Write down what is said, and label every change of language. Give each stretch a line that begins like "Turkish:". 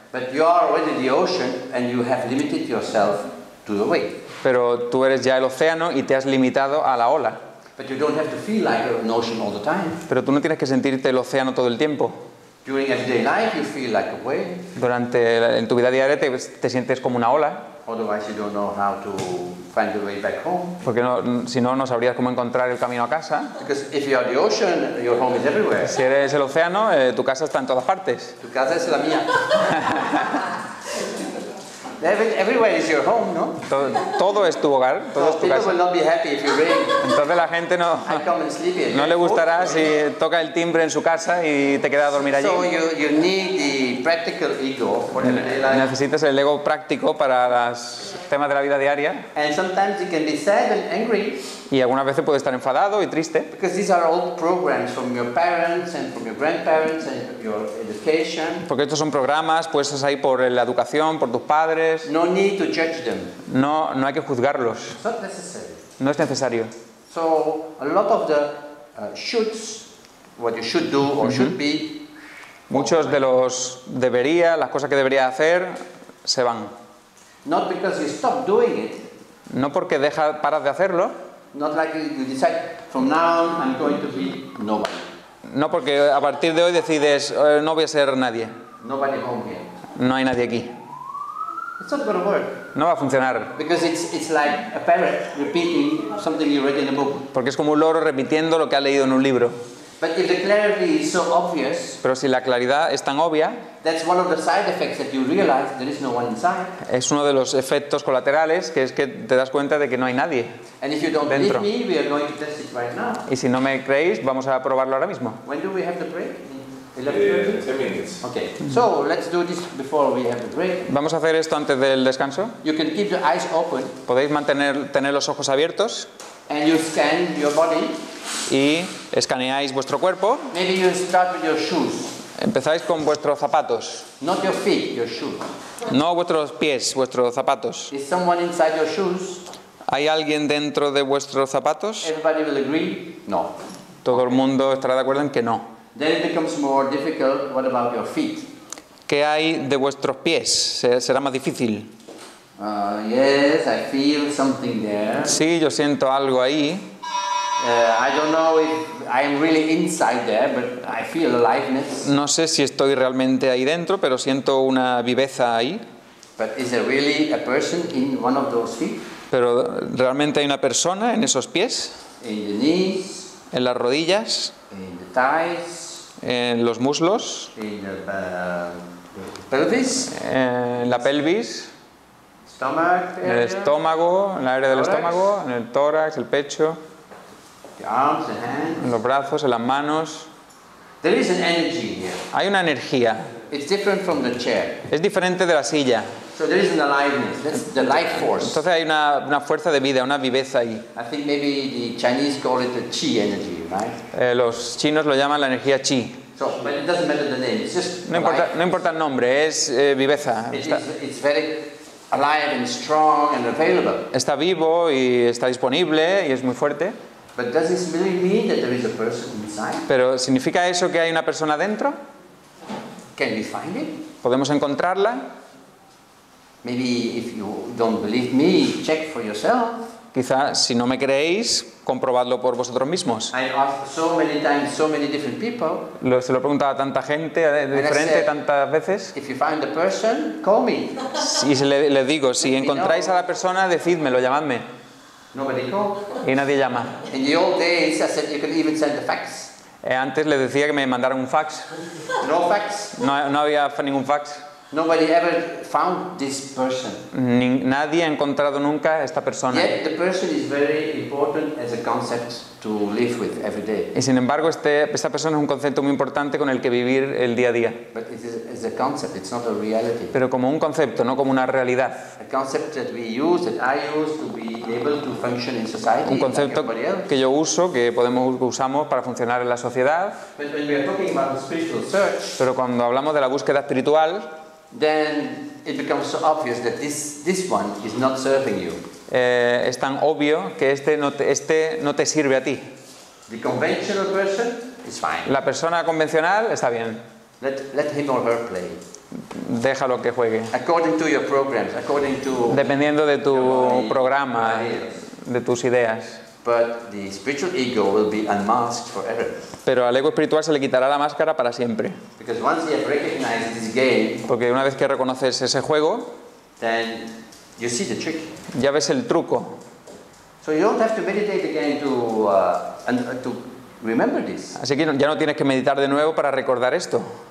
English: But you are already the ocean and you have limited yourself to the wave.
Spanish: Pero tú eres ya el océano y te has limitado a la ola.
English: But you don't have to feel like an ocean all the time.
Spanish: Pero tú no tienes que sentirte el océano todo el tiempo.
English: During everyday life, you feel like a wave.
Spanish: En tu vida diaria te sientes como una ola.
English: Otherwise, you don't know how to find your way back home.
Spanish: Porque no sabrías cómo encontrar el camino a casa.
English: Because if you are the ocean, your home is everywhere.
Spanish: Si eres el océano, tu casa está en todas partes. Tu casa es la mía.
English: Everywhere is your home, no?
Spanish: Todo es tu hogar, todo es tu casa.
English: Will not be happy if you ring.
Spanish: Entonces la gente no,
English: come and sleep here.
Spanish: No le gustará si toca el timbre en su casa y te queda a dormir allí.
English: So you need the practical ego for the life.
Spanish: Necesitas el ego práctico para los temas de la vida diaria.
English: And sometimes you can be sad and angry.
Spanish: Y algunas veces puedes estar enfadado y triste.
English: Because these are old programs from your parents and from your grandparents and your education.
Spanish: Porque estos son programas puestos ahí por la educación, por tus padres.
English: No need to judge them.
Spanish: No hay que juzgarlos.
English: It's not necessary.
Spanish: No es necesario.
English: So a lot of the shoulds, what you should do or mm-hmm. should be.
Spanish: Muchos de los debería, las cosas que debería hacer, se van.
English: Not because you stop doing it.
Spanish: No porque deja, paras de hacerlo.
English: Not like you decide from now on I'm going to be nobody.
Spanish: No porque a partir de hoy decides no voy a ser nadie.
English: Nobody home here.
Spanish: No hay nadie aquí.
English: It's not gonna work.
Spanish: No va a funcionar.
English: Because it's like a parrot repeating something you read in a book.
Spanish: Porque es como un loro repitiendo lo que ha leído en un libro.
English: But if the clarity is so obvious,
Spanish: pero si la claridad es tan obvia,
English: that's one of the side effects that you realize there is no one inside.
Spanish: Es uno de los efectos colaterales que es que te das cuenta de que no hay nadie.
English: And if you don't
Spanish: dentro.
English: Believe me, we are going to test it right now.
Spanish: Y si no me creéis, vamos a probarlo ahora mismo.
English: When do we have the break? 10 minutes. Okay. Mm-hmm. So let's do this before we have a break.
Spanish: Vamos a hacer esto antes del descanso.
English: You can keep your eyes open.
Spanish: Podéis mantener tener los ojos abiertos.
English: And you scan your body.
Spanish: Y escaneáis vuestro cuerpo.
English: Maybe you start with your shoes.
Spanish: Empezáis con vuestros zapatos.
English: Not your feet, your shoes.
Spanish: No vuestros pies, vuestros zapatos.
English: Is someone inside your shoes?
Spanish: ¿Hay alguien dentro de vuestros zapatos?
English: Everybody will agree? No.
Spanish: Todo el mundo estará de acuerdo en que no.
English: Then it becomes more difficult. What about your feet?
Spanish: ¿Qué hay de vuestros pies? Será más difícil.
English: Yes, I feel something there.
Spanish: Sí, yo siento algo ahí.
English: I don't know if I'm really inside there, but I feel aliveness.
Spanish: No sé si estoy realmente ahí dentro, pero siento una viveza ahí.
English: But is there really a person in one of those feet?
Spanish: Pero realmente hay una persona en esos pies.
English: In the knees.
Spanish: En las rodillas.
English: In the thighs.
Spanish: En los muslos.
English: In the pelvis.
Spanish: En la pelvis.
English: Stomach.
Spanish: En el estómago, en la área del estómago, en el tórax, el pecho.
English: Arms,
Spanish: en los brazos, en las manos.
English: There is an energy here.
Spanish: Hay una energía.
English: It's different from the chair.
Spanish: Es diferente de la silla.
English: So there is an aliveness. That's the life force.
Spanish: Entonces hay una fuerza de vida, una viveza ahí.
English: I think maybe the Chinese call it the chi energy, right?
Spanish: Los chinos lo llaman la energía chi.
English: So, but it doesn't matter the name. It's just
Spanish: no importa el nombre, es viveza.
English: It's very alive and strong and available.
Spanish: Está vivo y está disponible y es muy fuerte.
English: But does this really mean that there is a person inside?
Spanish: ¿Pero significa eso que hay una persona dentro?
English: Can we find it?
Spanish: ¿Podemos encontrarla?
English: Maybe if you don't believe me, check for yourself.
Spanish: Quizá si no me creéis, comprobadlo por vosotros mismos.
English: I asked so many times, so many different people.
Spanish: Se lo he preguntado a tanta gente, diferente,
English: said,
Spanish: tantas veces.
English: If you find the person, call me.
Spanish: Y le digo, si
English: maybe
Spanish: encontráis a la persona, decídmelo, llamadme.
English: Nobody calls.
Spanish: Y nadie llama.
English: In the old days, I said you could even send a fax.
Spanish: Antes le decía que me mandaran un fax.
English: No fax.
Spanish: No había ningún fax.
English: Nobody ever found this person.
Spanish: Nadie ha encontrado nunca esta persona.
English: Yet the person is very important as a concept to live with every day.
Spanish: Y sin embargo, esta persona es un concepto muy importante con el que vivir el día a día.
English: But it is a concept. It's not a reality.
Spanish: Pero como un concepto, no como una realidad.
English: A concept that we use, that I use to be able to function in society.
Spanish: Un concepto
English: like everybody else.
Spanish: Que yo uso, que usamos para funcionar en la sociedad.
English: But when we are talking about the spiritual search.
Spanish: Pero cuando hablamos de la búsqueda espiritual.
English: Then it becomes so obvious that this one is not serving you.
Spanish: Es tan obvio que este no te sirve a ti.
English: The conventional person is fine.
Spanish: La persona convencional está bien.
English: Let him or her play.
Spanish: Déjalo que juegue.
English: According to your programs, according to.
Spanish: Dependiendo de tu programa, de tus ideas.
English: But the spiritual ego will be unmasked forever.
Spanish: Pero al ego espiritual se le quitará la máscara para siempre.
English: Because once you have recognized this game,
Spanish: porque una vez que reconoces ese juego,
English: then you see the trick.
Spanish: Ya ves el truco.
English: So you don't have to meditate again to remember this.
Spanish: Así que ya no tienes que meditar de nuevo para recordar esto.